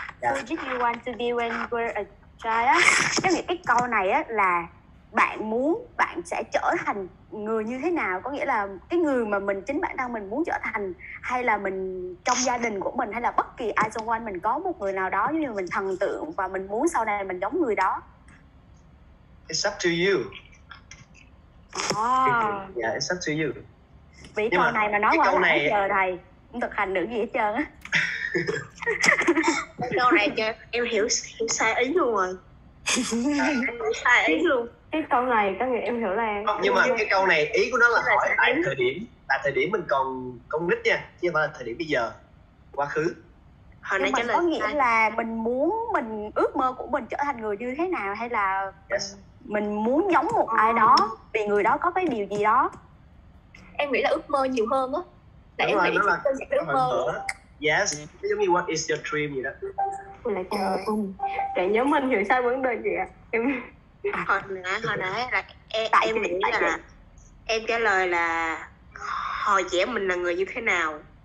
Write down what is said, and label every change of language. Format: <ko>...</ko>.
<en>Yeah. Who did you want to be when you were a child?</en> <vi>Cái câu này á là bạn muốn bạn sẽ trở thành người như thế nào, có nghĩa là cái người mà mình chính bản thân mình muốn trở thành, hay là mình trong gia đình của mình, hay là bất kỳ ai xung quanh mình có một người nào đó như mình thần tượng và mình muốn sau này mình giống người đó.</vi> <en>It's up to you. Oh. Yeah, it's up to you.</en> <vi>Vì câu này mà nói qua lại giờ thầy cũng thực hành được gì hết trơn á. Câu này chưa? Em hiểu sai ý luôn rồi. Sai ý luôn. Cái câu này có nghĩa em hiểu là em... Không, nhưng mà cái câu này ý của nó là hỏi tại thời điểm, tại thời điểm mình còn con nít nha, chứ không phải là thời điểm bây giờ, quá khứ. Hồi nhưng mà có nghĩa là mình muốn, mình ước mơ của mình trở thành người như thế nào, hay là mình muốn giống một ai đó vì người đó có cái điều gì đó. Em nghĩ là ước mơ nhiều hơn á. Để em nghĩ là ước mơ.</vi> <en>Yes, tell me what is your dream</en> <vi>vậy đó. Trời ơi, nhớ mình hiểu sai vấn đề gì ạ? Em... Hồi nãy là em nghĩ là em trả lời là hồi trẻ mình là người như thế nào.</vi>